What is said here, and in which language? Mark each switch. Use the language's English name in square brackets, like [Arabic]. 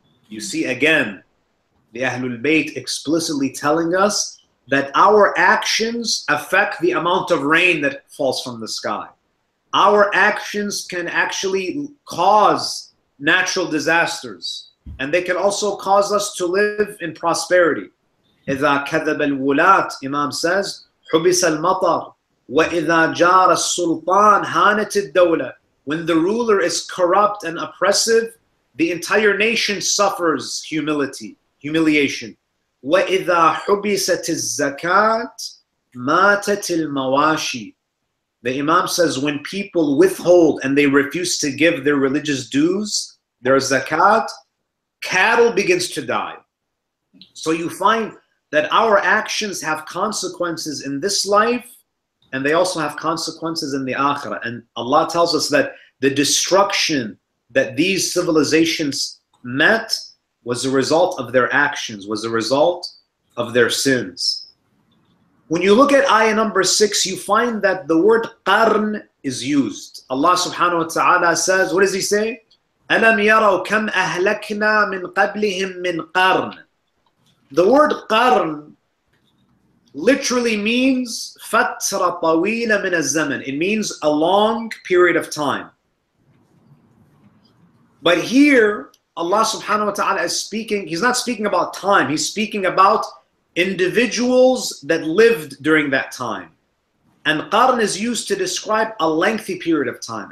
[English] You see, again, the Ahlul Bayt explicitly telling us that our actions affect the amount of rain that falls from the sky. Our actions can actually cause natural disasters, and they can also cause us to live in prosperity. [Arabic] إِذَا كَذَبَ الْوُلَاةِ, [English] Imam says, [Arabic] حُبِسَ الْمَطَرُ وَإِذَا جَارَ السُّلْطَانِ هَانَتِ الدَّوْلَةِ. [English] When the ruler is corrupt and oppressive, the entire nation suffers humiliation. [Arabic] وَإِذَا حُبِسَتِ الزَّكَاتِ مَاتَتِ الْمَوَاشِي. [English] The Imam says, when people withhold and they refuse to give their religious dues, their zakat, cattle begins to die. So you find that our actions have consequences in this life, and they also have consequences in the akhirah. And Allah tells us that the destruction that these civilizations met was a result of their actions, was a result of their sins. When you look at ayah number 6, you find that the word qarn is used. Allah subhanahu wa ta'ala says, what does He say? [Arabic] أَلَمْ يَرَوْا كَمْ أَهْلَكْنَا مِنْ قَبْلِهِمْ مِنْ قَرْنٍ. [English] The word [Arabic] قَرْن [English] literally means [Arabic] فَتْرَ طَوِيلَ مِنَ الزَّمَنِ. [English] It means a long period of time. But here, Allah subhanahu wa ta'ala is speaking, He's not speaking about time, He's speaking about individuals that lived during that time. And qarn is used to describe a lengthy period of time.